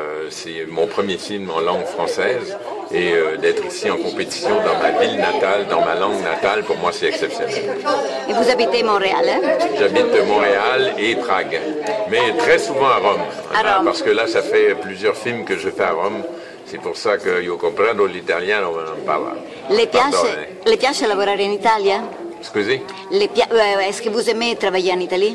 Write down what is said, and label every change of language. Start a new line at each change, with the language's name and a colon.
French: C'est mon premier film en langue française et d'être ici en compétition dans ma ville natale, dans ma langue natale, pour moi c'est exceptionnel. Et vous habitez Montréal, hein? J'habite Montréal et Prague, mais très souvent à Rome. À Rome. Hein, parce que là, ça fait plusieurs films que je fais à Rome. C'est pour ça que
Italian: io comprendo l'italiano,
French: on en parle.
Italian: Le piace lavorare in Italia? Scusi?
French: Est-ce que vous aimez travailler en Italie?